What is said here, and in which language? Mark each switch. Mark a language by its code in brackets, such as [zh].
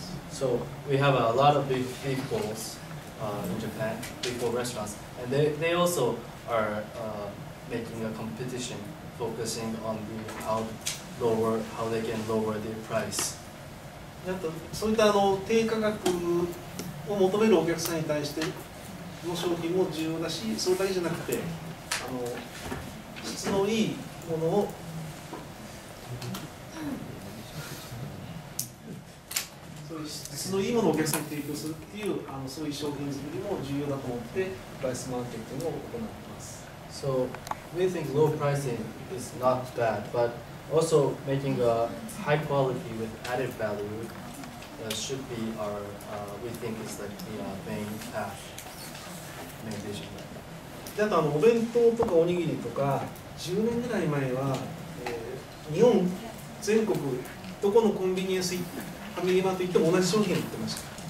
[en] So we have a lot of big bowls in Japan, big bowl restaurants, and they also are making a competition, focusing on how they can lower their price. [ja] やっとそういったあの低価格を求めるお客さんに対しての商品も重要だし、それだけじゃなくてあの質のいいものを質のいいものをお客さんに提供するっていうあのそういう商品作りも重要だと思ってプライスマーケティングを行っています。 [en] So we think low pricing is not bad, but also making a high quality with added value should be our we think is like the main path, main vision. [ja] であとあのお弁当とかおにぎりとか10年ぐらい前は、日本全国どこのコンビニエンスファミリーマートといっても同じ商品を売ってました。